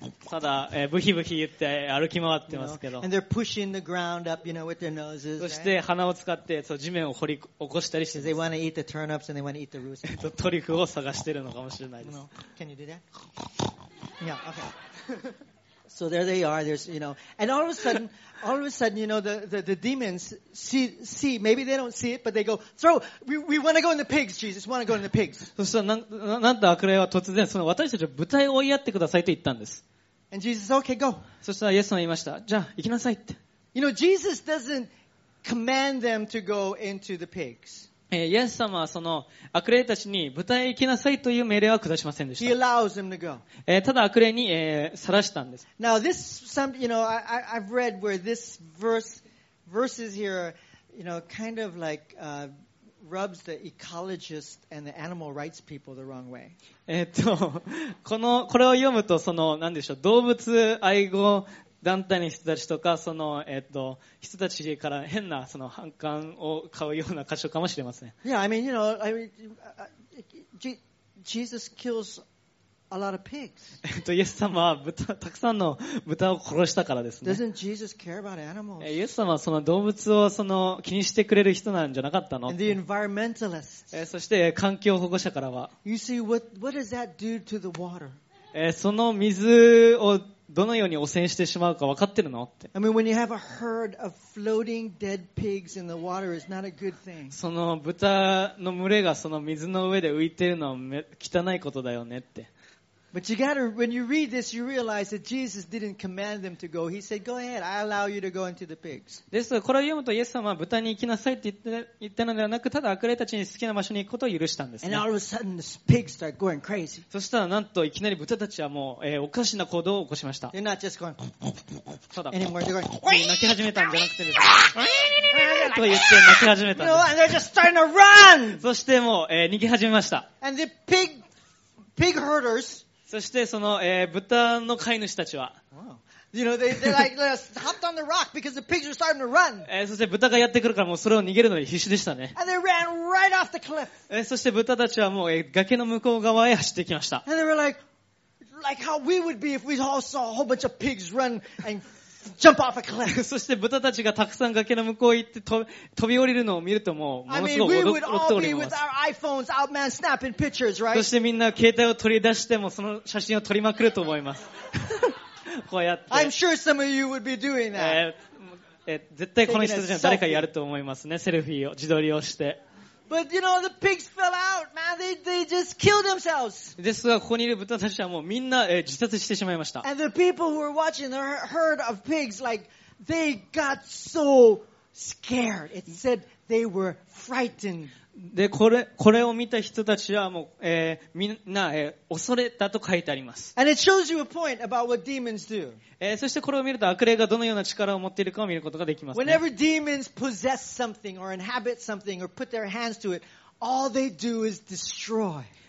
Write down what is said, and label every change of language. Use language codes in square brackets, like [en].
[ja] ただ、ブヒブヒ言って歩き回ってますけど。 [en] You know? up, you know, noses, [ja] そして、鼻を使ってそう地面を掘り起こしたりしてます。トリュフを探してるのかもしれないです。トリュフを探してるのかもしれないです。 [en] So there they are. There's, you know, and all of a sudden, you know, the demons see. Maybe they don't see it, but they go throw. We want to go in the pigs. Jesus, want to go in the pigs. [ja] そしたらなんと悪霊は突然その私たちを豚へ追いやってくださいと言ったんです。 [en] And Jesus, okay, go. [ja] そしたらイエスが言いました。じゃあ行きなさいって。 [en] You know, Jesus doesn't command them to go into the pigs. [ja] イエス様はその悪霊たちに豚へ行きなさいという命令は下しませんでした。 [en] He allows them to go. [ja] ただ悪霊に晒したんです。 [en] Now this some you know I've read where this verses here you know kind of like rubs the ecologist and the animal rights people the wrong way. [ja] これを読むとその何でしょう動物愛護団体の人たちとかその、人たちから変なその反感を買うような箇所かもしれません。 [en] Yeah, I mean, you know, I mean, Jesus kills a lot of pigs. [ja] イエス様は豚たくさんの豚を殺したからですね。 [en] Doesn't Jesus care about animals? [ja] イエス様はその動物をその気にしてくれる人なんじゃなかったの？ [en] And the environmentalists. [ja] そして環境保護者からは。 [en] You see what does that do to the water? [ja] その水をどのように汚染してしまうか分かってるのって。 [en] I mean, when you have a herd of floating dead pigs in the water, it's not a good thing. [ja] その豚の群れがその水の上で浮いてるのは汚いことだよねって。 [en] But you gotta, when you read this, you realize that Jesus didn't command them to go. He said, "Go ahead, I allow you to go into the pigs." [ja] ですが、これを読むとイエス様は豚に行きなさいって言ったのではなく、ただ悪霊たちに好きな場所に行くことを許したんですね。 [en] And all of a sudden, the pigs start going crazy. [ja] そしたらなんといきなり豚たちはもう、おかしな行動を起こしました。 [en] They're not just going. [ja] ただ、 [en] anymore, they're going. [ja] 泣き始めたんじゃなくてですね。と言って泣き始めた。 [en] No, and they're just starting to run. [ja] そしてもう、逃げ始めました。 [en] And the pig herders. [ja] そしてその、豚の飼い主たちは、そして豚がやってくるからもうそれを逃げるのに必死でしたね。 [en] And they ran right off the cliff. [ja] そして豚たちはもう、崖の向こう側へ走ってきました。 [en] And they were like how we would be if we all saw a whole bunch of pigs run and jump off a cliff. [ja] そして豚たちがたくさん崖の向こうへ行って飛び降りるのを見るともうものすごく驚っております。 [en] I mean, we would all be with our iPhones out, man, snapping pictures, right? [ja] そしてみんな携帯を取り出してもその写真を撮りまくると思います。こうやって。 [en] I'm sure some of you would be doing that. [ja] 絶対この人たちは誰かやると思いますね。セルフィーを自撮りをして。 [en] But you know the pigs fell out, man. They just killed themselves. [ja] ですがここにいる豚たちはもうみんな、自殺してしまいました。 [en] And the people who were watching the herd of pigs, like they got so scared. It said they were frightened. [ja] でこれを見た人たちはもう、みんな、恐れたと書いてあります。 [en] And it shows you a point about what demons do. [ja] そしてこれを見ると悪霊がどのような力を持っているかを見ることができますね。 [en] Whenever demons possess something or inhabit something or put their hands to it, all they do is destroy.